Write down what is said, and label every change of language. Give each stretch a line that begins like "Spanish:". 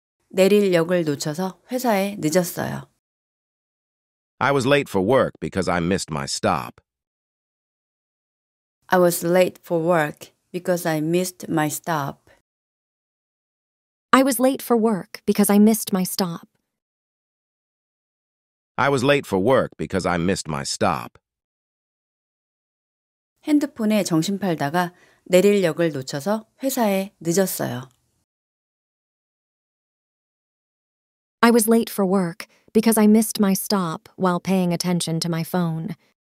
Korean: 내릴 역을 놓쳐서 회사에 늦었어요.
English: I was late for work because I missed my stop. I was late for work because I missed my stop. I was late for work because I missed my stop. I was late for work because I missed my stop.
Korean: 핸드폰에 정신 팔다가 내릴 역을 놓쳐서 회사에 늦었어요.
English: I was late for work because I missed my stop while paying attention to my phone.